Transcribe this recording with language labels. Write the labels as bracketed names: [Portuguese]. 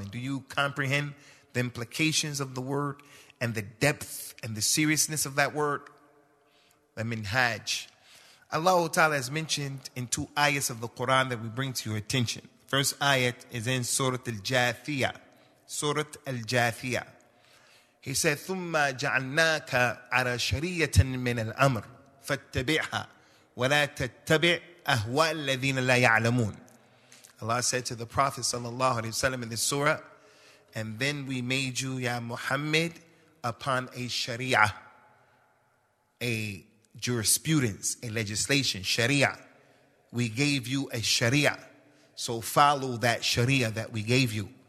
[English] And do you comprehend the implications of the word and the depth and the seriousness of that word? The minhaj. Allah Ta'ala has mentioned in two ayats of the Quran that we bring to your attention. First ayat is in Surah Al-Jathiyah. Surah Al-Jathiyah. He said, [Arabic] ثُمَّ جَعَلْنَاكَ عَلَى شَرِيَّةٍ مِّنَ الْأَمْرِ فَاتَّبِعْهَا وَلَا تَتَّبِعْ أَهْوَى الَّذِينَ لَا يَعْلَمُونَ. [English] Allah said to the Prophet sallallahu alaihi wasallam in this surah, and then we made you, ya Muhammad, upon a sharia, a jurisprudence, a legislation, sharia. We gave you a sharia. So follow that sharia that we gave you.